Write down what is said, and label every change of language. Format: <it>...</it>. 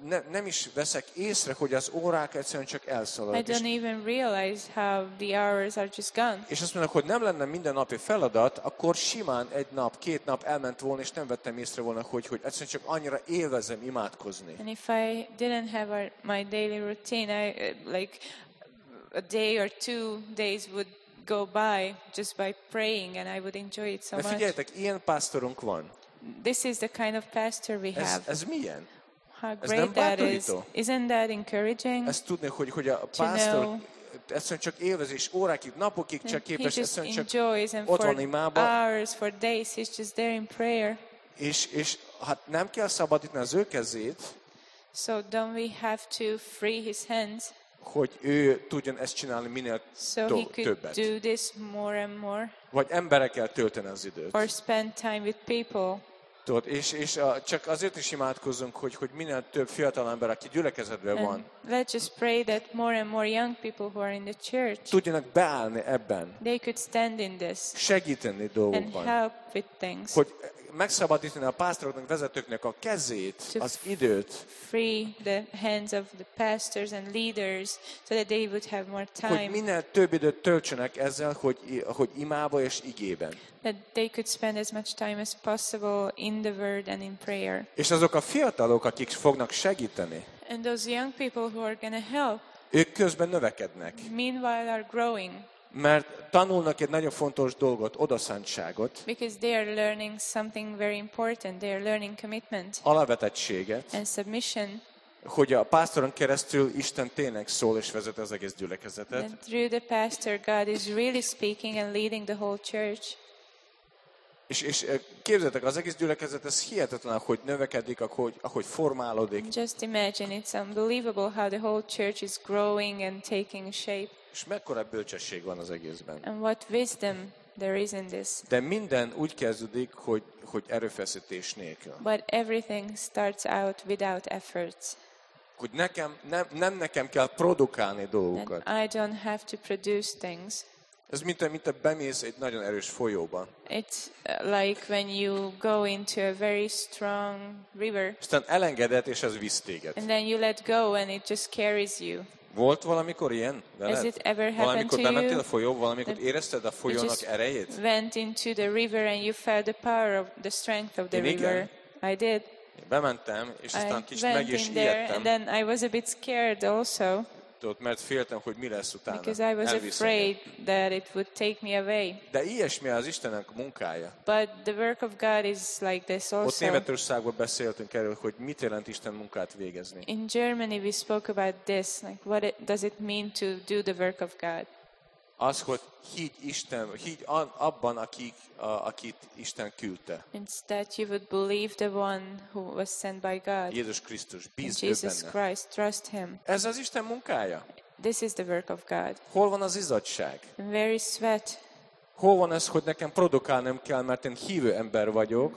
<hu>Nem is veszek észre, hogy az órák egyszerűen csak elszaladnak.</hu> <en>I don't even realize how the hours are just gone.</en> <hu>És azt mondják, hogy nem lenne minden napi feladat, akkor simán egy nap, két nap elment volna, és nem vettem észre volna, hogy egyszerűen csak annyira élvezem imádkozni.</hu> <en>And if I didn't have my daily routine, I like a day or two days would go by just by praying, and I would enjoy it so much.</en> <hu>De figyeljetek, ilyen pásztorunk van.</hu> <en>This is the kind of pastor we have.</en> <hu>Ez milyen?</hu> <en>How great that is. Isn't that encouraging?</en> <hu>Ezt tudni, hogy a pásztor egyszerűen csak élvezés, órákig, napokig csak képes, egyszerűen csak ott van imába.</hu> <en>Hours for days, he's just there in prayer.</en> <hu>És hát nem kell szabadítani az ő kezét.</hu> <en>So don't we have to free his hands?</en> <hu>Hogy ő tudjon ezt csinálni minél többet.</hu> <en>Do this more and more.</en> <hu>Vagy emberekkel tölteni az időt.</hu> <en>Or spend time with people.</en> <hu>Tudod, és csak azért is imádkozunk, hogy minél több fiatal ember, aki gyülekezetben van.</hu> <en>Let's just pray that more and more young people who are in the church.</en> <hu>Tudjanak beállni ebben.</hu> <en>They could stand in this.</en> <hu>Segíteni dolgokban.</hu> <en>And help with things.</en> <hu>Hogy megszabadítani a pásztoroknak, vezetőknek a kezét, az időt.</hu> <en>Free the hands of the pastors and leaders so that they would have more time.</en> <hu>Hogy minél több időt töltsenek ezzel, hogy imába és igében.</hu> <en>That they could spend as much time as possible in the word and in prayer.</en> <hu>És azok a fiatalok, akik fognak segíteni.</hu> <en>And those young people who are going to help.</en> <hu>Ők közben növekednek.</hu> <en>Meanwhile are growing.</en> <hu>Mert tanulnak egy nagyon fontos dolgot, odaszántságot.</hu> <en>Because they are learning something very important. They are learning commitment.</en> <hu>Alávetettséget.</hu> <en>And submission.</en> <hu>Hogy a pásztoron keresztül Isten tényleg szól és vezet az egész gyülekezetet.</hu> <en>And through the pastor, God is really speaking and leading the whole church.</en> <hu>És képzeljétek, az egész gyülekezet, ez hihetetlen, hogy növekedik, ahogy formálódik.</hu> <en>Just imagine, it's unbelievable how the whole church is growing and taking shape.</en> <hu>És mekkora bölcsesség van az egészben.</hu> <en>And what wisdom there is in this.</en> <hu>De minden úgy kezdődik, hogy erőfeszítés nélkül.</hu> <en>But everything starts out without efforts.</en> <hu>Hogy nekem, nem nekem kell produkálni dolgokat.</hu> <en>That I don't have to produce things.</en> <hu>Ez mint a bemész egy nagyon erős folyóba.</hu> <en>It's like when you go into a very strong river.</en> <hu>Aztán elengeded, és ez visz téged.</hu> <en>And then you let go and it just carries you.</en> <hu>Volt valamikor ilyen veled?</hu> <en>Has it ever happened</en> <hu>valamikor</hu> <en>to you?</en> <hu>Valamikor bementél a folyóba, valamikor érezted a folyónak erejét?</hu> <en>You just went into the river and you felt the power of the strength of the river. I did.</en> <hu>Én bementem, és aztán kicsit meg is ijedtem.</hu> <en>And then I was a bit scared also.</en> <hu>Mert féltem, hogy mi lesz utána.</hu> <en>Because I was afraid that it would take me away.</en> <hu>De ilyesmi az Istenek munkája.</hu> <en>But the work of God is like this also.</en> <hu>Ott Németországban beszéltünk erről, hogy mit jelent Isten munkát végezni.</hu> <en>In Germany we spoke about this, like what does it mean to do the work of God?</en> <hu>Az, hogy higgy Isten, higgy abban, akit Isten küldte.</hu> <en>It's that you would believe the one who was sent by God.</en> <hu>Jézus Krisztus, bízd benne.</hu> <en>Jesus Christ, trust him.</en> <hu>Ez az Isten munkája.</hu> <en>This is the work of God.</en> <hu>Hol van az izzadság?</hu> <en>Where is sweat?</en> <hu>Hol van ez, hogy nekem produkálnom kell, mert én hívő ember vagyok?</hu>